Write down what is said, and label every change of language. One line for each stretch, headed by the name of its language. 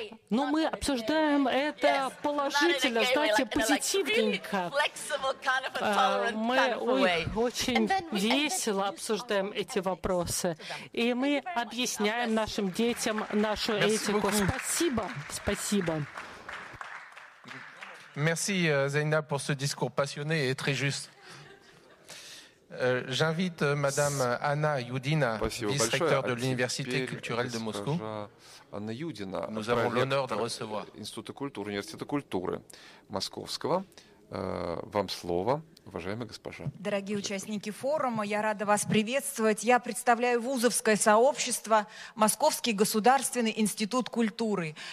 Russian: Но мы обсуждаем это положительно, знаете, позитивненько. Мы очень весело обсуждаем эти вопросы. И мы объясняем нашим детям нашу этику. Спасибо, спасибо.
French: Merci Zeynep pour ce discours passionné et très juste. J'invite Madame Anna Yudina, vice-recteur de l'Université culturelle de Moscou. Anna Yudina, nous avons l'honneur de recevoir.
Russian: Института культуры, Университета культуры Московского. Вам слово, уважаемая госпожа. Дорогие участники форума, я рада вас приветствовать. Я представляю вузовское сообщество Московский государственный институт культуры.